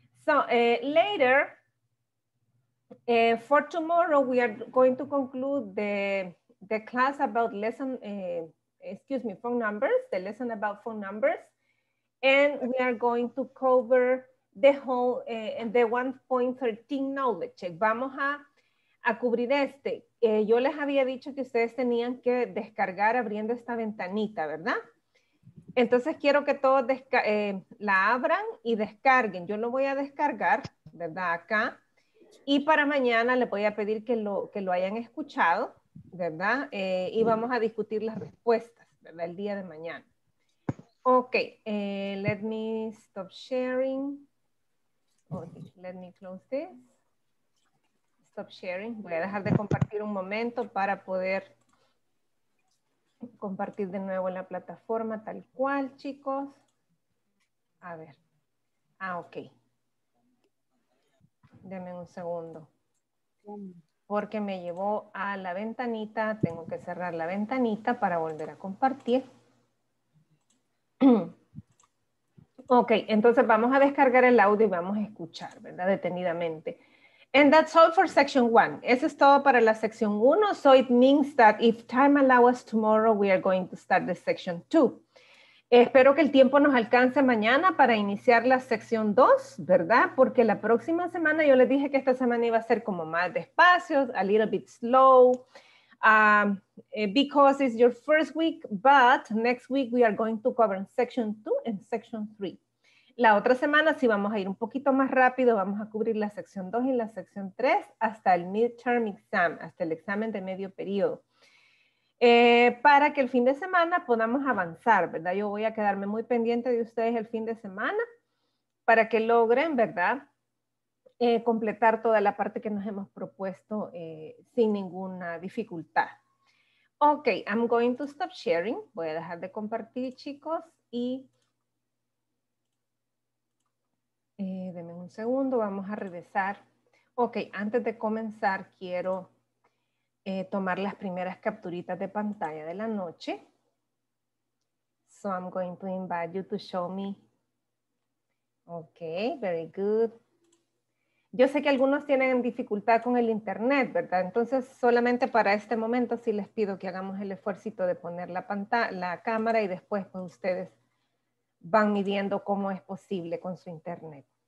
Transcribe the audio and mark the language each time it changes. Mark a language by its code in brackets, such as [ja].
[en] So later, for tomorrow, we are going to conclude the class about lesson, excuse me, phone numbers, the lesson about phone numbers. And we are going to cover the whole, the 1.13 knowledge check. [es] Vamos a cubrir este. Yo les había dicho que ustedes tenían que descargar abriendo esta ventanita, ¿verdad? Entonces quiero que todos la abran y descarguen. Yo lo voy a descargar, ¿verdad? Acá. Y para mañana les voy a pedir que lo hayan escuchado, ¿verdad? Y vamos a discutir las respuestas, ¿verdad? El día de mañana. [en] Okay, let me stop sharing. Okay, let me close this. Stop sharing. [es] Voy a dejar de compartir un momento para poder compartir de nuevo la plataforma tal cual, chicos. A ver. Ah, okay. Deme un segundo. Porque me llevó a la ventanita. Tengo que cerrar la ventanita para volver a compartir. Ok, entonces vamos a descargar el audio y vamos a escuchar, ¿verdad? Detenidamente. [en] And that's all for section one. [es] Eso es todo para la sección 1. [en] So it means that if time allows us tomorrow, we are going to start the section 2. [es] Espero que el tiempo nos alcance mañana para iniciar la sección 2, ¿verdad? Porque la próxima semana, yo les dije que esta semana iba a ser como más despacio, [en] a little bit slow. Because it's your first week, but next week we are going to cover section 2 and section 3. [es] La otra semana sí vamos a ir un poquito más rápido, vamos a cubrir la sección 2 y la sección 3 hasta el midterm exam, hasta el examen de medio periodo. Para que el fin de semana podamos avanzar, ¿verdad? Yo voy a quedarme muy pendiente de ustedes el fin de semana para que logren, ¿verdad? Completar toda la parte que nos hemos propuesto sin ninguna dificultad. [en] Ok, I'm going to stop sharing. [es] Voy a dejar de compartir, chicos. Y denme un segundo, vamos a regresar. Ok, antes de comenzar, quiero tomar las primeras capturitas de pantalla de la noche. [en] So I'm going to invite you to show me. Okay, very good. [es] Yo sé que algunos tienen dificultad con el internet, ¿verdad? Entonces, solamente para este momento sí les pido que hagamos el esfuercito de poner la cámara y después pues ustedes van midiendo cómo es posible con su internet.